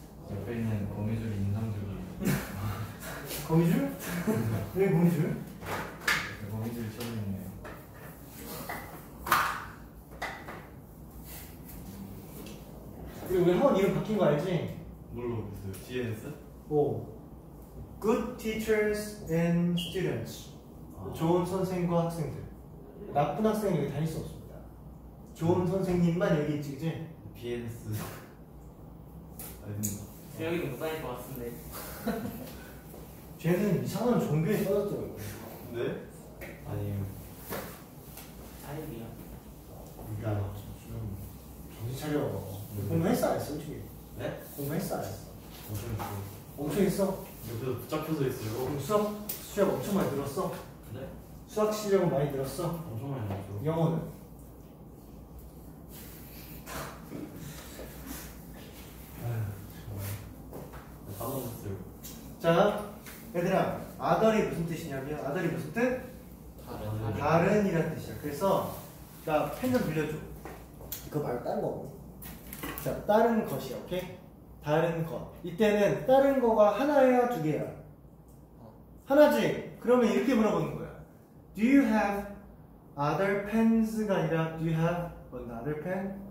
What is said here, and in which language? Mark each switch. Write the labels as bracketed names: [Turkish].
[Korean] 옆에 있는 거미줄 인상적이. 거미줄? 왜 거미줄? 거미줄 처음 있네. 우리 학원 이름 바뀐 거 알지? 뭘로 바뀌었어요? GNS? 오, Good Teachers and Students. 좋은 선생과 학생들. 나쁜 학생은 여기 다닐 수 없습니다. 좋은 선생님만 여기 있지, 그치? BNS. 아닙니다. 여기도 못 다닐 것 같은데. 쟤는 이상한 종교에 써졌더라고. 네? 아니에요. 아니에요. 그러니까 정신 차려. 공부했어 안 했어, 솔직히? 네? 공부했어 안 했어? 엄청 했어. 엄청 했어? 옆에서 붙잡혀서 했어요. 수학? 수학 엄청 많이 들었어? 네? 수학 실력은 많이 들었어? 엄청 많이 들었어. 영어는? 아휴, 정말 다 넘었어요. 자, 얘들아, 아들이 무슨 뜻이냐면, 아들이 무슨 뜻? 다른이란 뜻이야. 그래서 나 펜 좀 빌려줘. 이거 말고 다른 거 없니? 자, 다른 것이야, 오케이? 다른 것. 이때는 다른 거가 하나야, 두 개야? 하나지? 그러면 이렇게 물어보는 거야. [English] Do you have other pens가 [Korean] 아니라 [English] Do you have another pen?